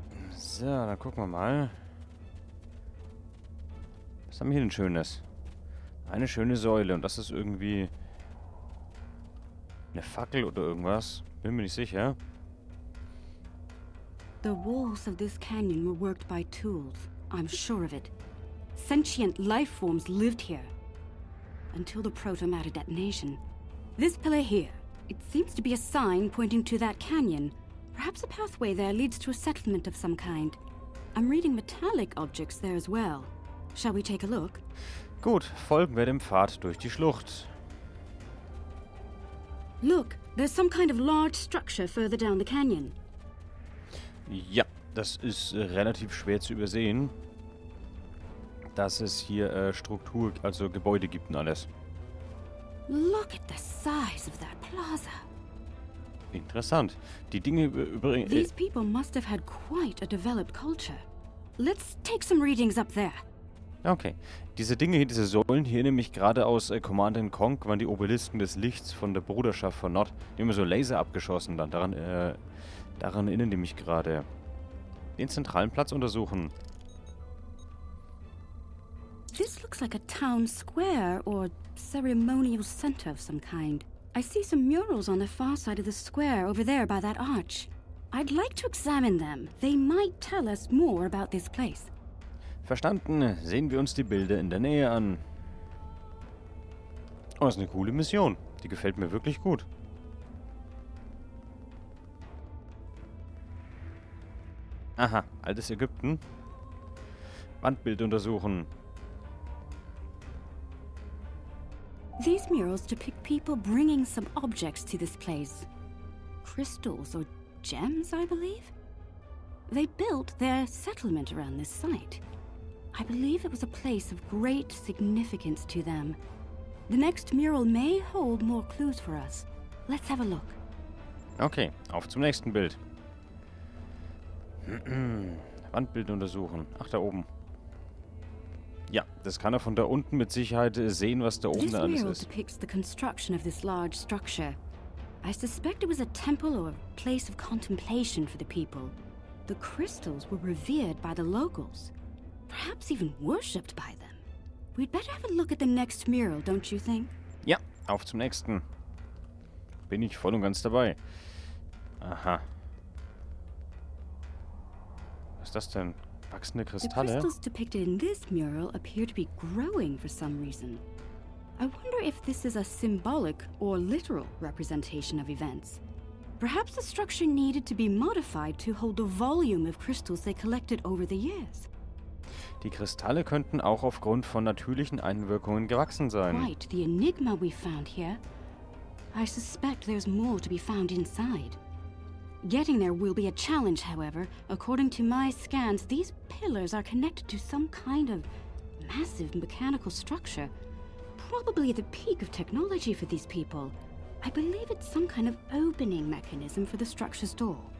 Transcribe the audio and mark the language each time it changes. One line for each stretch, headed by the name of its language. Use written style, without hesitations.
German: So, dann gucken wir mal. Was haben wir hier denn Schönes? Eine schöne Säule. Und das ist irgendwie eine Fackel oder irgendwas. Bin mir nicht sicher.
English: The walls of this canyon were worked by tools. I'm sure of it. Sentient life forms lived here. Until the proto-matter detonation. This pillar here. It seems to be a sign pointing to that canyon. Perhaps a pathway there leads to a settlement of some kind. I'm reading metallic objects there as well. Shall we take a look?
German: Gut, folgen wir dem Pfad durch die Schlucht.
English: Look, there's some kind of large structure further down the canyon.
German: Ja, das ist relativ schwer zu übersehen, dass es hier Struktur, also Gebäude gibt und alles.
English: Look at the size of that plaza.
German: Interessant. Die Dinge übrigens.
English: These people must have had quite a developed culture. Let's take some readings up there. Okay.
German: Diese Dinge hier, diese Säulen hier, nämlich gerade aus Command & Conk, waren die Obelisken des Lichts von der Bruderschaft von Nord. Die haben so Laser abgeschossen dann. Daran erinnern die mich gerade. Den zentralen Platz untersuchen.
English: This looks like a town square or ceremonial center of some kind. I see some murals on the far side of the square over there by that arch. I'd like to examine them. They might tell us more about this place.
German: Verstanden. Sehen wir uns die Bilder in der Nähe an. Oh, ist eine coole Mission. Die gefällt mir wirklich gut. Aha, altes Ägypten. Wandbild untersuchen.
English: These murals depict people bringing some objects to this place. Crystals or gems, I believe. They built their settlement around this site. I believe it was a place of great significance to them. The next mural may hold more clues for us. Let's have a look.
German: Okay, auf zum nächsten Bild. Wandbild untersuchen. Ach, da oben. Ja, das kann er von da unten mit Sicherheit sehen, was da oben alles ist.
English: This mural depicts the construction of this large structure. I suspect it was a temple or a place of contemplation for the people. The crystals were revered by the locals. Perhaps even worshipped by them. We'd better have a look at the next mural, don't you think?
German: Ja, auf zum nächsten. Bin ich voll und ganz dabei. Aha. Was ist das denn? Wachsende Kristalle?
English: The crystals depicted in this mural appear to be growing for some reason. I wonder if this is a symbolic or literal representation of events. Perhaps the structure needed to be modified to hold the volume of crystals they collected over the years.
German: Die Kristalle könnten auch aufgrund von natürlichen Einwirkungen gewachsen sein.
English: Right, the enigma we found here. I suspect there's more to be found inside. Getting there will be a challenge, however. According to my scans, these pillars are connected to some kind of massive mechanical structure. Probably the peak of technology for these people. I believe it's some kind of opening mechanism for the structure's door.